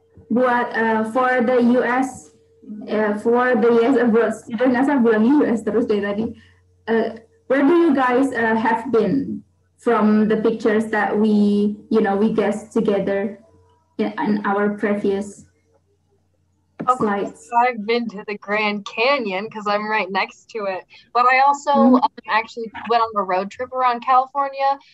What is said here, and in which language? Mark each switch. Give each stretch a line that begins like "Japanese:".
Indonesian: Buat
English: for the US, for the years abroad.
Indonesian: Jadi nggak saya bilangin US terus dari tadi.
English: Where do you guys have been from the pictures that we, you know, we guessed together in our previous slides? Okay, so I've been to the Grand Canyon because I'm right next to it. But I also actually went on a road trip around California.